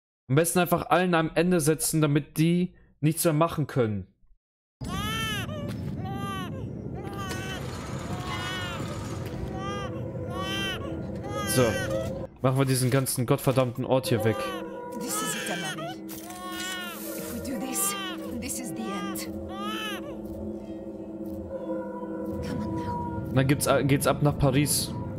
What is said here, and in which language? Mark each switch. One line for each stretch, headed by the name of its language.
German: Am besten einfach allen am Ende setzen, damit die nichts mehr machen können. So. Machen wir diesen ganzen gottverdammten Ort hier weg.
English: This is it, Amari. If we do this, this is the end. Come on now.
German: Dann geht's ab nach Paris.